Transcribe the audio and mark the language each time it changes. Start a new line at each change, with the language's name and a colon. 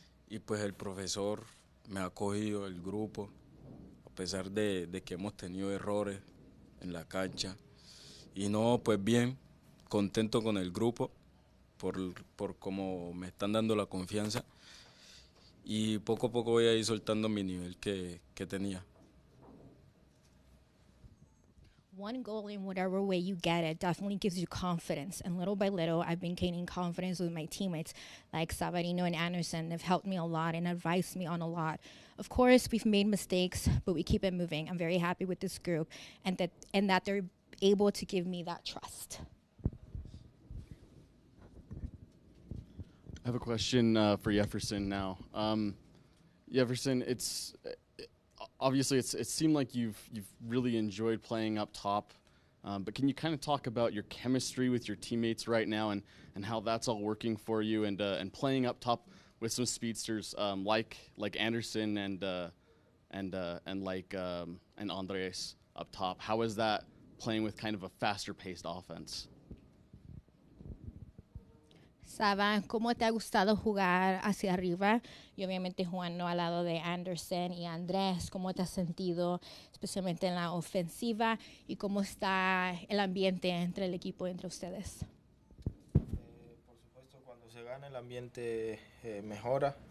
Spanish: Y pues el profesor me ha acogido, el grupo, a pesar de que hemos tenido errores en la cancha. Y no, pues bien. Contento con el grupo por cómo me están dando la confianza y poco a poco voy a ir soltando mi nivel que tenía.
English: One goal in whatever way you get it definitely gives you confidence. And little by little, I've been gaining confidence with my teammates like Savarino and Anderson. They've helped me a lot and advised me on a lot. Of course, we've made mistakes, but we keep it moving. I'm very happy with this group and that they're able to give me that trust. I have a question for Jefferson now. Jefferson, it seemed like you've really enjoyed playing up top, but can you kind of talk about your chemistry with your teammates right now and how that's all working for you and playing up top with some speedsters like Anderson and Andres up top? How is that playing with kind of a faster paced offense?
Spanish: Saba, ¿cómo te ha gustado jugar hacia arriba? Y obviamente jugando al lado de Anderson y Andrés, ¿cómo te has sentido, especialmente en la ofensiva? ¿Y cómo está el ambiente entre el equipo, entre ustedes? Por supuesto, cuando se gana el ambiente mejora.